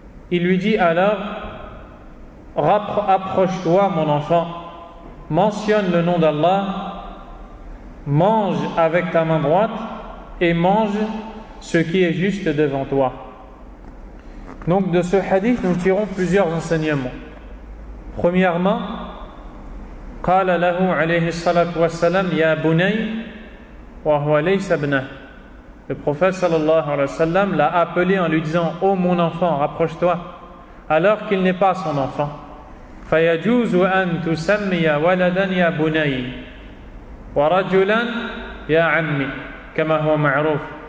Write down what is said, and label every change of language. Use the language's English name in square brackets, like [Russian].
[French] Il lui dit alors: approche-toi mon enfant, mentionne le nom d'Allah, mange avec ta main droite et mange ce qui est juste devant toi. Donc de ce hadith nous tirons plusieurs enseignements. Premièrement, [Arabic] قال له عليه الصلاة والسلام يا بني وهو ليس ابنه. [French] Le prophète sallallahu alayhi wa sallam l'a appelé en lui disant: ô mon enfant, rapproche-toi, alors qu'il n'est pas son enfant. [Arabic] فيجوز أن تسمي ولدا يا بني ورجلا يا عمي كما هو معروف.